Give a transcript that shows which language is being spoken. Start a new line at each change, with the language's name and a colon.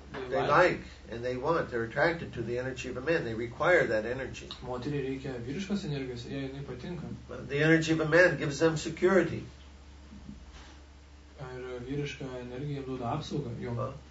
English: they like and they want, they're attracted to the energy of a man, they require that energy.
Lithuanian: Moteriai reikia vyriškos energijos, jai jinai patinka.
English: The energy of a man gives them security.
Lithuanian: Ir vyriška energija duoda apsaugą jo.